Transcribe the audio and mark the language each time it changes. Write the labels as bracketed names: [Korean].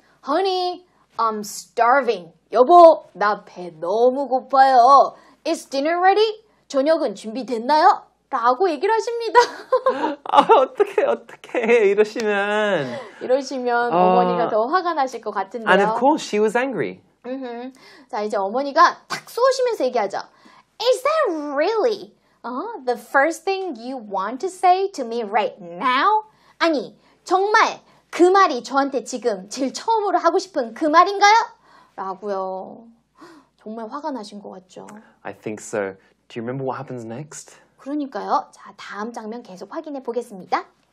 [English] Honey, I'm starving. [Korean] 여보, 나 배 너무 고파요. [English] Is dinner ready? [Korean] 저녁은 준비됐나요? 라고 얘기를 하십니다. 아, 어떡해, 어떡해. 이러시면 어머니가 더 화가 나실 것 같은데요. [English] And of course, she was angry. [Korean] 자, 이제 어머니가 탁 쏘시면서 얘기하죠. [English] Is that really the first thing you want to say to me right now? [Korean] 아니, 정말 그 말이 저한테 지금 제일 처음으로 하고 싶은 그 말인가요? 라고요. 정말 화가 나신 것 같죠. [English] I think so. Do you remember what happens next? [Korean] 그러니까요. 자, 다음 장면 계속 확인해 보겠습니다.